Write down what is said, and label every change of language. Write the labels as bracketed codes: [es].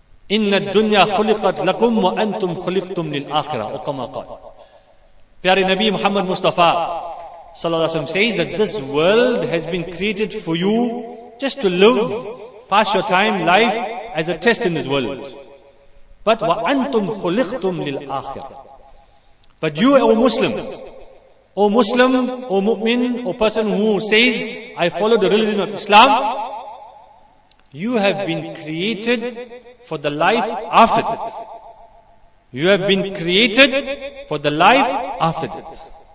[ar] إِنَّ الدُّنْيَا خُلِقَتْ لَكُمْ وَأَنْتُمْ خُلِقْتُمْ لِلْآخِرَةِ وَكَمَا قَالَ. [en] Pyare Nabi Muhammad Mustafa Sallallahu Alaihi Wasallam says that this world has been created for you just to live, pass your time, life as a test in this world. [ar] But وَأَنْتُمْ خُلِقْتُمْ لِلْآخِرَةِ. [en] But you, O Muslim, O Muslim, O Mu'min, O person who says, I follow the religion of Islam, you have been created for the life after death. You have been created for the life after death.